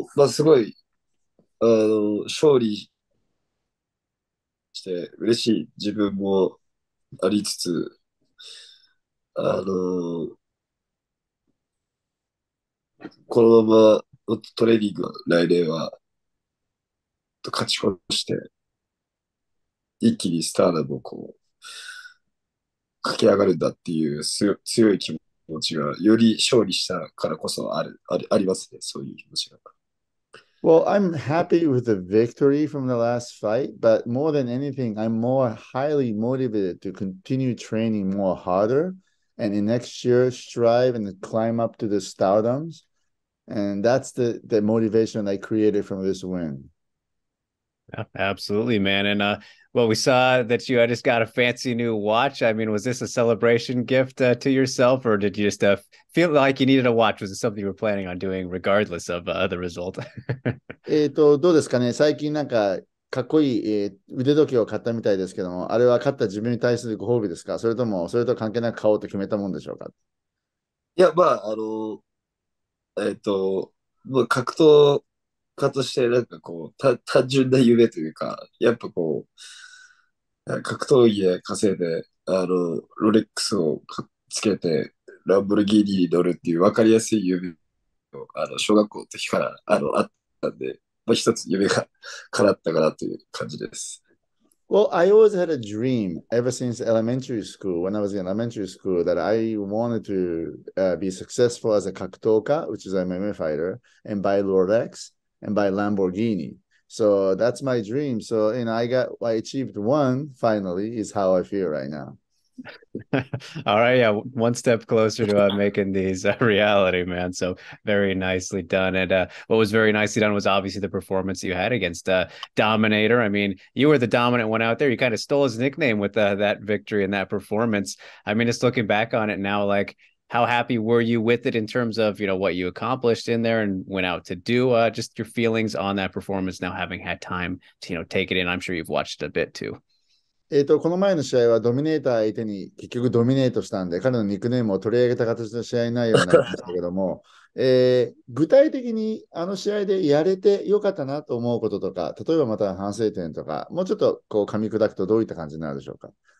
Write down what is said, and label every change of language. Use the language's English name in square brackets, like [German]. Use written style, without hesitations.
[Japanese] すごい、勝利して嬉しい自分もありつつ、このままのトレーニングは来年は勝ち越して一気にスターダムをこう駆け上がるんだっていう強い気持ちがより勝利したからこそありますね、そういう気持ちが。 [English] Well, I'm happy with the victory from the last fight, but more than anything, I'm more highly motivated to continue training more harder and in next year strive and climb up to the stardoms. And that's the motivation I created from this win. Yeah, absolutely, man. And we saw that you just got a fancy new watch. I mean, was this a celebration gift to yourself, or did you just feel like you needed a watch? Was it something you were planning on doing regardless of the result? [Japanese] どうですかね。最近なんかかっこいい腕時計を買ったみたいですけども、あれは買った自分に対するご褒美ですか？それともそれと関係なく買おうと決めたもんでしょうか？いや、もう格闘家としてなんかこう単純な夢というかやっぱこう格闘技で稼いでロレックスをつけてランボルギーニに乗るっていう分かりやすい夢を小学校の時からあったんで、まあ、一つ夢が叶ったかなという感じです。 [English] Well, I always had a dream ever since elementary school, when I was in elementary school, that I wanted to be successful as a kaktouka, which is an MMA fighter, and buy Rolex and buy Lamborghini. So that's my dream. So, you know, I achieved one, finally, is how I feel right now. All right, yeah, one step closer to making these a reality, man. So very nicely done. And what was very nicely done was obviously the performance you had against Dominator. I mean, you were the dominant one out there. You kind of stole his nickname with that victory and that performance. I mean, just looking back on it now, like, how happy were you with it in terms of, you know, what you accomplished in there and went out to do? Just your feelings on that performance now having had time to, you know, take it in. I'm sure you've watched it a bit too. [Japanese] この前の試合はドミネーター相手に結局ドミネートしたんで彼のニックネームを取り上げた形の試合になるようになりましたけども、具体的にあの試合でやれてよかったなと思うこととか例えばまた反省点とかもうちょっとこう噛み砕くとどういった感じになるでしょうか。